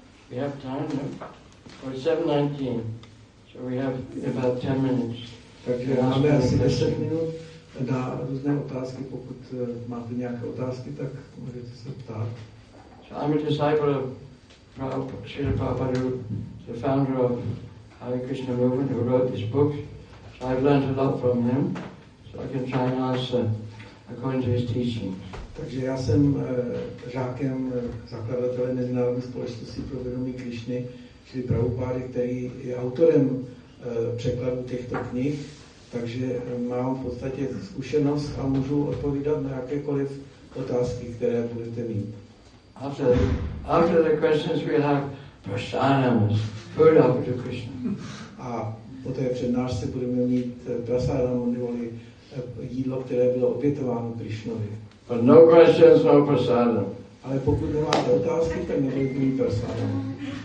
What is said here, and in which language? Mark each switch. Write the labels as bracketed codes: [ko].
[en] We have time for 7:19, so we have about 10 minutes. [cs] Takže máme asi 10 minut na různé otázky. Pokud máte nějaké otázky, tak můžete se ptát. [en] So I'm a disciple of Srila Prabhupada, the founder of Hare Krishna movement, who wrote this book. So I've learned a lot from him, so I can try and answer according to his teachings. [cs] Takže já jsem žákem zakladatele Mezinárodní společnosti pro vědomí Krišny, čili Prabhupády, který je autorem překladu těchto knih, takže mám v podstatě zkušenost a můžu odpovídat na jakékoliv otázky, které budete mít. [en] After the questions we have prasadam, food offered to Krishna. [cs] A po té přednášce budeme mít prasadam, neboli jídlo, které bylo obětováno Krišnovi. [en] But no questions, no prasadam. [cs] Ale pokud nemáte otázky, tak nebudete mít prasadam.